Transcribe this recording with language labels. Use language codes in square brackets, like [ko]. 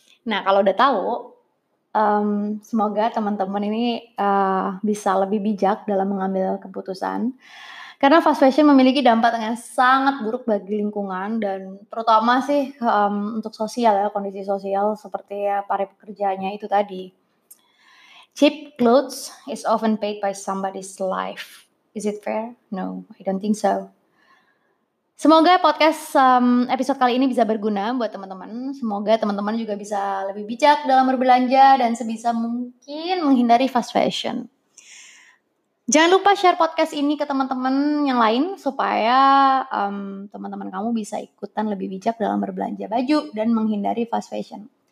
[id] Nah, kalau udah tahu, semoga teman-teman ini bisa lebih bijak dalam mengambil keputusan. Karena fast fashion memiliki dampak yang sangat buruk bagi lingkungan dan terutama sih untuk sosial ya, kondisi sosial seperti ya, para pekerjanya itu tadi. [en] Cheap clothes is often paid by somebody's life. Is it fair? No, I don't think so. [id] Semoga podcast episode kali ini bisa berguna buat teman-teman. Semoga teman-teman juga bisa lebih bijak dalam berbelanja dan sebisa mungkin menghindari fast fashion. Jangan lupa share podcast ini ke teman-teman yang lain supaya teman-teman kamu bisa ikutan lebih bijak dalam berbelanja baju dan menghindari fast fashion.